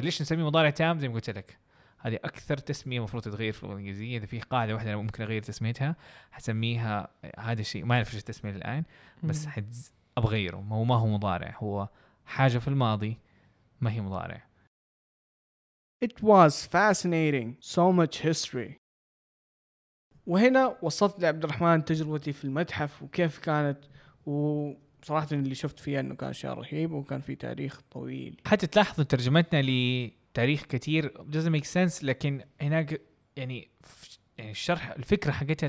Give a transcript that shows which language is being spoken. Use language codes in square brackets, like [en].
[ar] ليش نسميه مضارع تام؟ زي ما قلت لك هذه أكثر تسمية مفروض تتغير في الإنجليزية، إذا في قاعدة واحدة أنا ممكن أغير تسميتها هسميها هذا الشيء، ما أعرف إيش التسمية الآن بس أبغيره. هو ما هو مضارع، هو حاجة في الماضي ما هي مضارع. [en] It was fascinating, so much history. [ar] وهنا وصلت لعبد الرحمن تجربتي في المتحف وكيف كانت، وصراحة اللي شفت فيها أنه كان شيء رهيب وكان فيه تاريخ طويل. حتى تلاحظوا ترجمتنا لتاريخ كتير [en] doesn't make sense، [ar] لكن هناك يعني الشرح الفكرة حقتها.